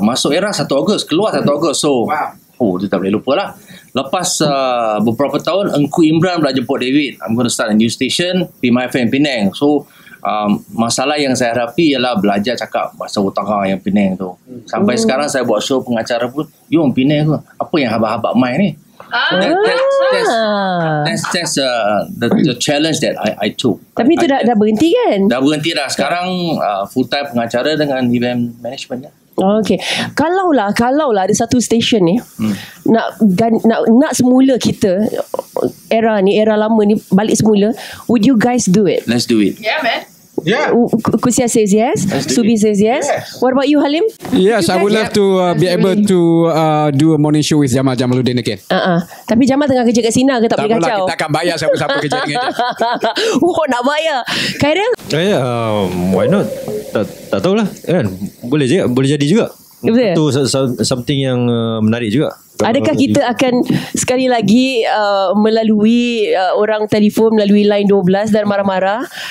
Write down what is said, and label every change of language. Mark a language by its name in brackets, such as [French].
[Malay] Masuk era 1 Ogos, keluar 1 Ogos. So, oh, tu tak boleh lupalah. Lepas beberapa tahun, Engku Imran pula jemput David. [English] I'm going to start a new station, PMFM Penang. [Malay] So, masalah yang saya hadapi ialah belajar cakap bahasa utara yang Penang tu. Sampai sekarang saya buat show pengacara pun, you orang Penang ke? Apa yang habak-habak main ni? [English] That's the challenge that I took. [Malay] Tapi tu dah berhenti kan? Dah berhenti dah. Sekarang full time pengacara dengan event management. Okay, kalaulah ada satu stesen ni nak semula kita era ni, era lama ni balik semula, [English] would you guys do it? Let's do it. Yeah, man. Yeah. Kusia says yes. Subi says yes. What about you, Halim? Yes, you I would love to be able to do a morning show with Jamal Jamaluddin again. [Malay] Tapi Jamal tengah kerja kat sini ke, tak boleh kacau. Kita akan bayar siapa-siapa kerja dengan dia. Oh, nak bayar. Khairil? [English] Yeah, why not? [Malay] Tak tahulah. Kan? Boleh je, boleh jadi juga. Betul. Itu something yang menarik juga. Adakah kita akan sekali lagi melalui orang telefon, melalui line 12 dan marah-marah?